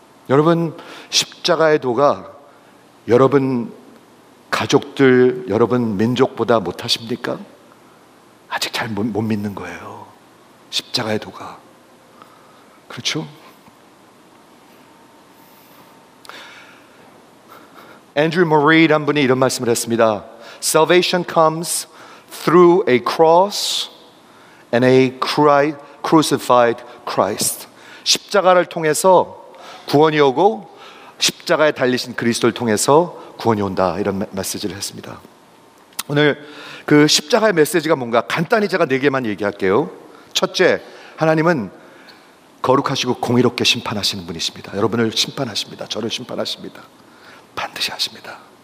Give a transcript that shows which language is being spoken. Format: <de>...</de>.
<ko>여러분 십자가의 도가 여러분 가족들, 여러분 민족보다 못하십니까? 아직 잘 못 믿는 거예요. 십자가의 도가. 그렇죠? Andrew Murray 한 분이 이런 말씀을 했습니다.</ko> <en>Salvation comes through a cross and a crucified Christ.</en> <ko>십자가를 통해서 구원이 오고 십자가에 달리신 그리스도를 통해서 구원이 온다 이런 메시지를 했습니다. 오늘 그 십자가의 메시지가 뭔가 간단히 제가 네 개만 얘기할게요. 첫째, 하나님은 거룩하시고 공의롭게 심판하시는 분이십니다. 여러분을 심판하십니다. 저를 심판하십니다. 반드시 하십니다.</ko>